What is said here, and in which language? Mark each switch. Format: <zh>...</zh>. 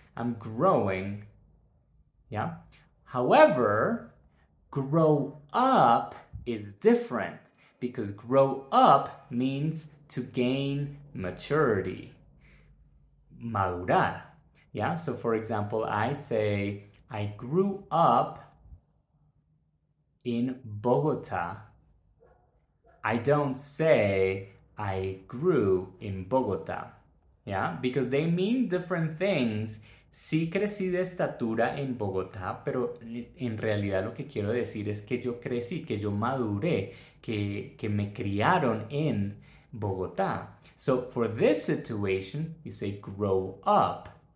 <en>I'm growing. Yeah. However, grow up is different because grow up means to gain maturity. Madurar. Yeah. So for example, I say, I grew up in Bogota. I don't say, I grew in Bogota, yeah? Because they mean different things.</en> <es>Sí crecí de estatura en Bogotá, pero en realidad lo que quiero decir es que yo crecí, que yo maduré, que me criaron en Bogotá.</es> <en>So for this situation, you say grow up.</en>